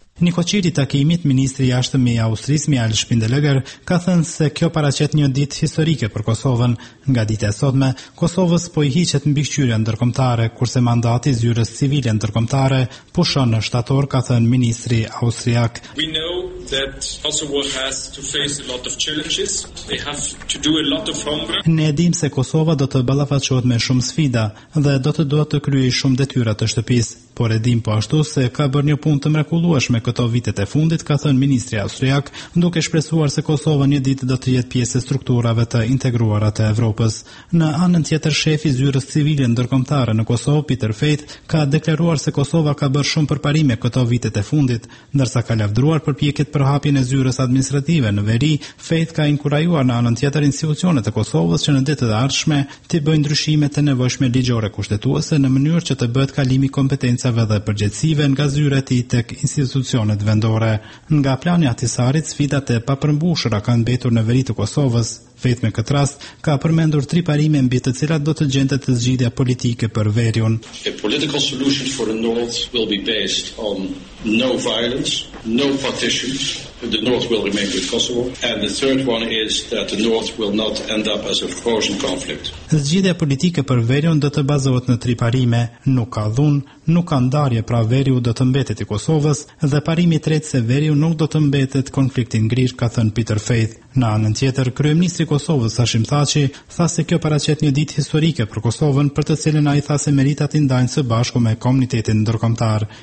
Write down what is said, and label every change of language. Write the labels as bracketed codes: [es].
[sq] Në koqiri takimit, ministri jashtëm i Austrisë Mial Spindelegger ka thënë se kjo paraqet një ditë historike për Kosovën. Nga dita e sotme, Kosovës po i hiqet mbikëqyrja ndërkombëtare, kurse mandati i zyrës civile ndërkombëtare pushon në shtator, ka thënë ministri austriak. [en] We know that Kosovo has to face a lot of challenges. They have to do a lot of homework. [sq] Ne dim se Kosova do të ballafaqohet me shumë sfida dhe do të duhet të kryej shumë detyra të shtëpisë, por e dim po ashtu se ka bërë një punë të mrekullueshme me këto vitet e fundit, ka thënë ministri austriak, duke shpresuar se Kosova një ditë do të jetë pjesë e strukturave të integruara të Evropës. Në anën tjetër, shefi zyrës civile ndërkombëtare në Kosovë, Peter Faith, ka deklaruar se Kosova ka bërë shumë përparime këto vitet e fundit, ndërsa ka lavdruar përpjekjet për hapjen e zyrës administrative në veri. Faith ka inkurajuar në anën tjetër institucionet e Kosovës që në ditët e ardhshme të bëjnë ndryshime të nevojshme ligjore kushtetuese në mënyrë që të bëhet kalimi kompetencave dhe përgjegjësive nga zyra e tij tek institucionet vendore. Nga plani Atisarit, sfidat e papërmbushura kanë mbetur në veri të Kosovës. Faith me këtë rast ka përmendur 3 parime mbi të cilat do të gjente të zgjidhja politike për verjun. [en] A political solution for the north will be based on no violence, no partition. The north will remain with Kosovo, and the third one is that the north will not end up as a frozen conflict. [sq] Zgjidhja politike për verjun do të bazohet në 3 parime: nuk ka dhunë, nuk ka ndarje, pra veriu do të mbetet i Kosovës, dhe parimi i tretë se veriu nuk do të mbetet konfliktin ngrir, ka thënë Peter Faith. Në anën tjetër, kryeministri i Kosovës Hashim Thaçi tha se kjo paraqet një ditë historike për Kosovën, për të cilën ai tha se merita të ndajnë së bashku me komunitetin ndërkombëtar.